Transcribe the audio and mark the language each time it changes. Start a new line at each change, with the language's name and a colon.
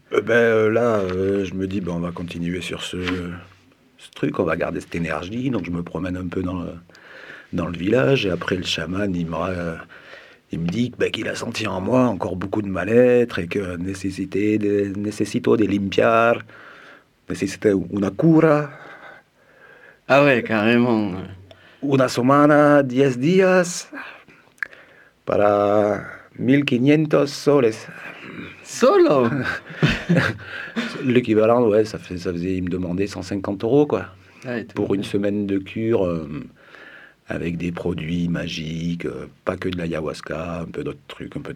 French: Je me dis, on va continuer sur ce truc, on va garder cette énergie, donc je me promène un peu dans le village, et après le chaman, il me dit qu'il a senti en moi encore beaucoup de mal-être, et que
Spanish: necessito de limpiar, necessito una cura.
French: Ah ouais, carrément.
Spanish: Una semana, 10 días, para 1500 soles. Solo?
French: L'équivalent, ouais, ça faisait, il me demandait 150 euros, quoi. Ouais, pour une semaine de cure, avec des produits magiques, pas que de l'ayahuasca, un peu d'autres trucs.